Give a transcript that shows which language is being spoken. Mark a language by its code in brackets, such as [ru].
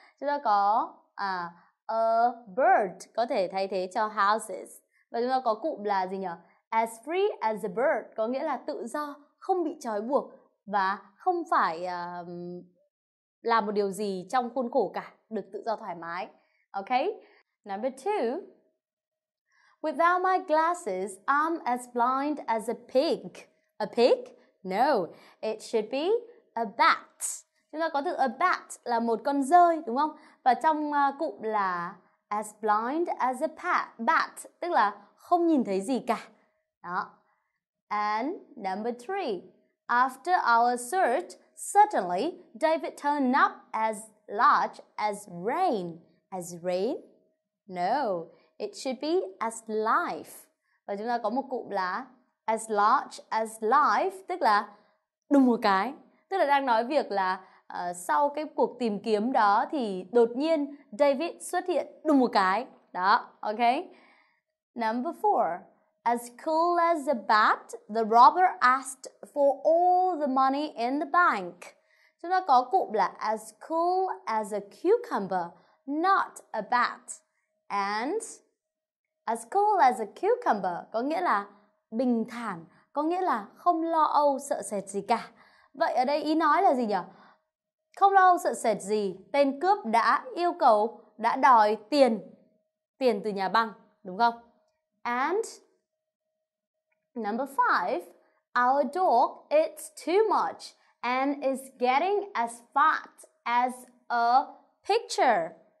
[vi] Chúng ta có [en] a bird [vi] có thể thay thế cho houses. Và chúng ta có cụm là gì nhỉ? [en] As free as a bird [vi] có nghĩa là tự do, không bị trói buộc và không phải làm một điều gì trong khuôn khổ cả, được tự do thoải mái. [en] Ok? Number 2. Without my glasses, I'm as blind as a pig. A pig? No, it should be a bat. [vi] Chúng ta có từ a bat là một con dơi, đúng không? Và trong cụm là [en] as blind as a bat, [vi] tức là không nhìn thấy gì cả. [en] Đó. And number 3. After our search, suddenly David turned up as large as rain. As rain? No. It should be as life. [vi] Và chúng ta có một cụm là [en] as large as life, [vi] tức là đùng một cái. Tức là đang nói việc là sau cái cuộc tìm kiếm đó thì đột nhiên David xuất hiện đúng một cái. [en] Đó, ok. Number four. As cool as a bat, the robber asked for all the money in the bank. Chúng ta có cụm là as cool as a cucumber, not a bat. And as cool as a cucumber [vi] có nghĩa là bình thản, có nghĩa là không lo âu sợ sệt gì cả. Vậy ở đây ý nói là gì nhỉ? Không lo âu sợ sệt gì, tên cướp đã yêu cầu, đã đòi tiền, tiền từ nhà băng, đúng không? [en] And number five, our dog eats too much and is getting as fat as a picture.